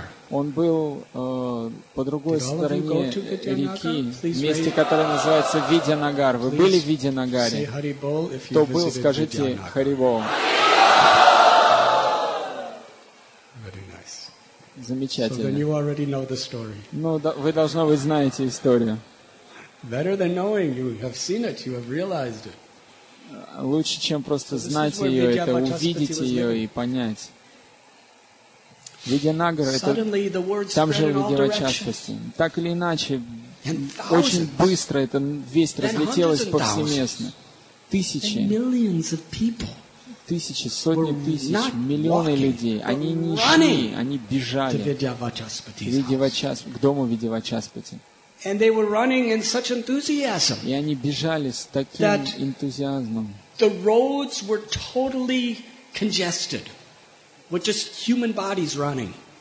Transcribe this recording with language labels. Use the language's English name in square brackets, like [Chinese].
[Russian] Он был по другой стороне реки, месте, которое называется Видьянагар. Вы были в Видьянагаре? Кто был, скажите Харибол. Замечательно. [English] So then you already know the story. [Russian] Ну, вы должно быть знаете историю. [English] Better than knowing, you have seen it, you have realized it. [Russian] Лучше, чем просто знать ее, это увидеть ее и понять. Vidyanagara, это там же Vidyavachaspati. Так или иначе, очень быстро эта весть разлетелась повсеместно. Тысячи, сотни тысяч, миллионы людей. Они не шли, они бежали к дому Vidyavachaspati. [English] And they were running in such enthusiasm. [Russian] И они бежали с таким энтузиазмом. [English] The roads were totally congested with just human bodies running.